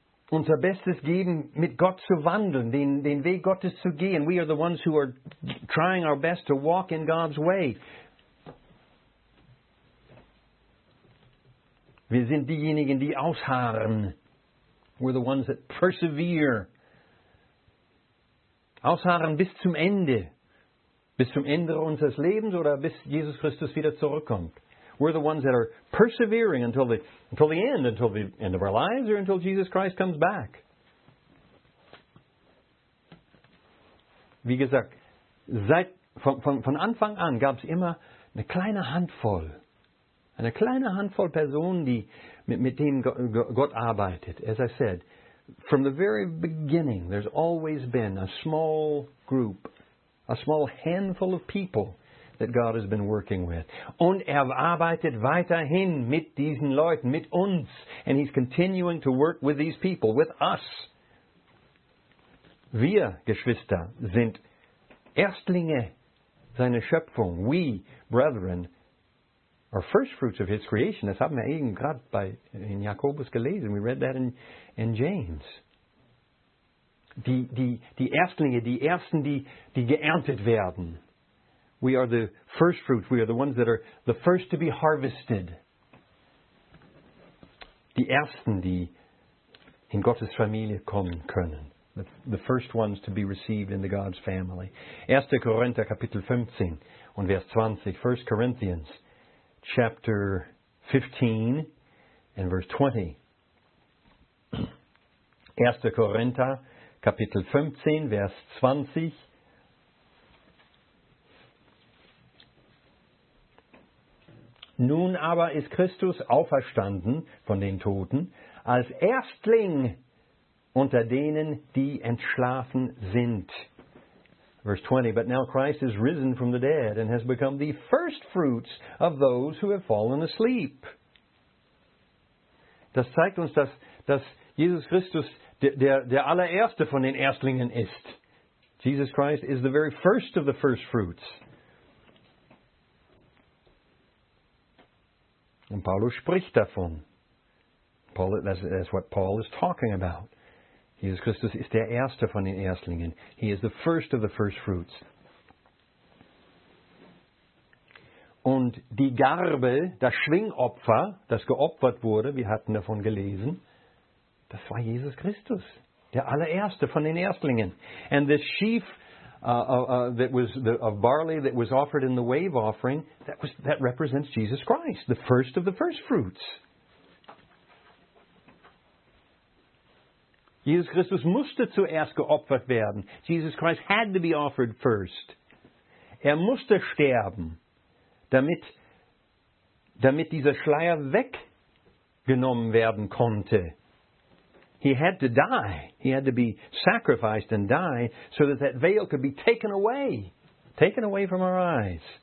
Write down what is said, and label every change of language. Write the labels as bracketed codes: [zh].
[de] unser Bestes geben, mit Gott zu wandeln, den Weg Gottes zu gehen. [en] We are the ones who are trying our best to walk in God's way. [de] Wir sind diejenigen, die ausharren. [en] We're the ones that persevere. [de] Ausharren bis zum Ende. Bis zum Ende unseres Lebens oder bis Jesus Christus wieder zurückkommt. [en] We're the ones that are persevering until the end of our lives or until Jesus Christ comes back. [de] Wie gesagt, von Anfang an gab es immer eine kleine Handvoll Personen, die mit dem Gott arbeitet. [en] As I said, from the very beginning, there's always been a small group, a small handful of people that God has been working with. [de] Und arbeitet weiterhin mit diesen Leuten, mit uns. [en] And he's continuing to work with these people, with us. [de] Wir, Geschwister, sind Erstlinge seiner Schöpfung. [en] We, brethren, are first fruits of his creation. [de] Das haben wir eben gerade in Jakobus gelesen. [en] We read that in James. [de] Die Erstlinge, die Ersten, die geerntet werden. [en] We are the first fruits. We are the ones that are the first to be harvested. [de] Die Ersten, die in Gottes Familie kommen können. [en] The first ones to be received into God's family. [de] 1. Korinther, Kapitel 15 und Vers 20. 1. [en] Corinthians, Chapter 15 and Verse 20. 1. [de] Korinther, Kapitel 15, Vers 20. Nun aber ist Christus auferstanden von den Toten als Erstling unter denen, die entschlafen sind. [en] Verse 20, but now Christ is risen from the dead and has become the first fruits of those who have fallen asleep. [de] Das zeigt uns, dass Jesus Christus der allererste von den Erstlingen ist. [en] Jesus Christ is the very first of the first fruits. [de] Und Paulus spricht davon. [en] That's what Paul is talking about. [de] Jesus Christus ist der Erste von den Erstlingen. [en] He is the first of the first fruits. [de] Und die Garbe, das Schwingopfer, das geopfert wurde, wir hatten davon gelesen, das war Jesus Christus, der allererste von den Erstlingen. [en] And this sheaf of barley that was offered in the wave offering, that represents Jesus Christ, the first of the first fruits. [de] Jesus Christus musste zuerst geopfert werden. [en] Jesus Christ had to be offered first. [de] Er musste sterben, damit dieser Schleier weggenommen werden konnte. [en] He had to die. He had to be sacrificed and die so that veil could be taken away from our eyes.